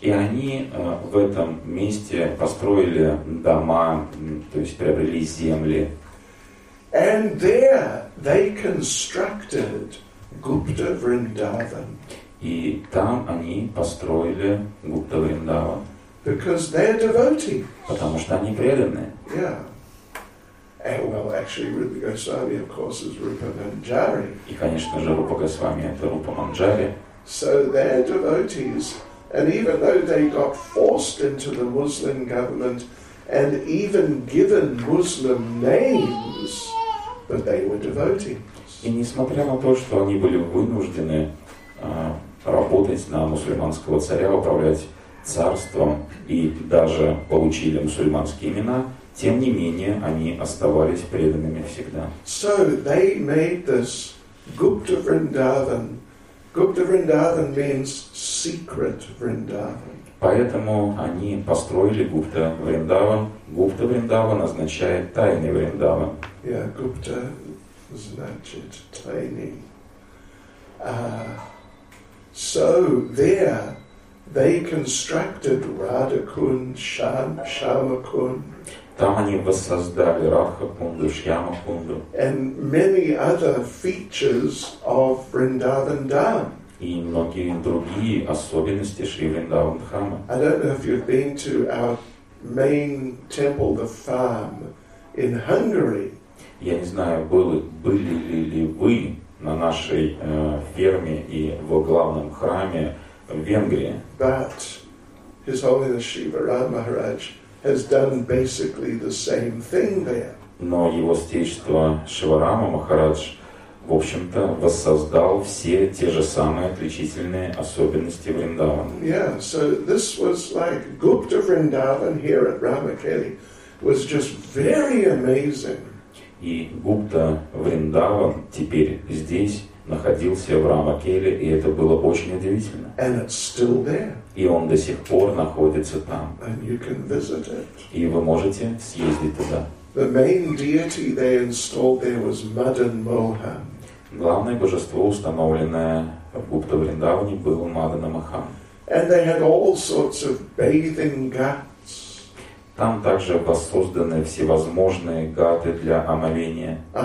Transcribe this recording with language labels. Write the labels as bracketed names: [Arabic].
[Russian] И они в этом месте построили дома, то есть приобрели земли. [English] And there they constructed Gupta Vrindavan. [Russian] И там они построили Гупта Вриндаван. [English] Because they're devotees. [Russian] Потому что они преданные. [English] Yeah. And well, actually, Rupa Goswami, of course, is Rupa Manjari. [Russian] И, конечно же, Рупа Госвами — это Рупа Манджари. [English] So they're devotees, and even though they got forced into the Muslim government and even given Muslim names, but they were devotees. [Russian] И несмотря на то, что они были вынуждены работать на мусульманского царя, управлять царством и даже получили мусульманские имена, тем не менее они оставались преданными всегда. [English] So they made this Gupta Vrindavan. Gupta Vrindavan means secret Vrindavan. [Russian] Поэтому они построили Гупта Вриндаван. Гупта Вриндаван означает тайный Вриндаван. Yeah, Gupta значит тайный. [English] So there they constructed Radhakund, Shyamakund. [Russian] Там они воссоздали Радхакунду, Шьямакунду. [English] And many other features of Vrindavan Dham. [Russian] И многие другие особенности Шри Вриндаван Дхамы. [English] I don't know if you've been to our main temple, the farm, in Hungary. [Russian] Я не знаю, были ли вы на нашей ферме и в главном храме в Венгрии. [English] But His Holiness Shivaram Maharaj has done basically the same thing there. [Russian] Но Его Святейшество Шиварама Махарадж, в общем-то, воссоздал все те же самые отличительные особенности Вриндавана. [English] Yeah, so this was like Gupta Vrindavan here at Ramakeli was just very amazing. [Russian] И Гупта Вриндаван теперь здесь находился в Рамакеле, и это было очень удивительно. [English] And it's still there. [Russian] И он до сих пор находится там. [English] And you can visit it. [Russian] И вы можете съездить туда. [English] The main deity they installed there was Madan Mohan. [Russian] Главное божество, установленное в Гупта Вриндаване, было Мадана Махан. [English] And they had all sorts of bathing ghats. [Russian] Там также воссозданы всевозможные гаты для омовения.